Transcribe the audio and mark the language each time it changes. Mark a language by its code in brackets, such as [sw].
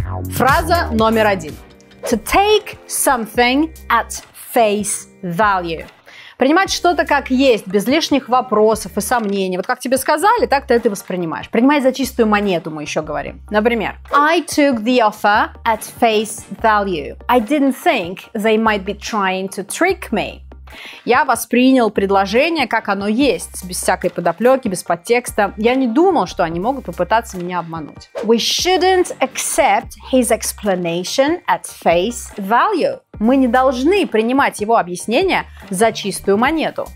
[ru] Фраза номер один. [en] To take something at face value. [ru] Принимать что-то как есть, без лишних вопросов и сомнений. Вот как тебе сказали, так ты это и воспринимаешь. Принимать за чистую монету, мы еще говорим. Например, [en] I took the offer at face value. I didn't think they might be trying to trick me. [ru] Я воспринял предложение, как оно есть, без всякой подоплеки, без подтекста. Я не думал, что они могут попытаться меня обмануть. [en] We shouldn't accept his explanation at face value. [ru] Мы не должны принимать его объяснение за чистую монету.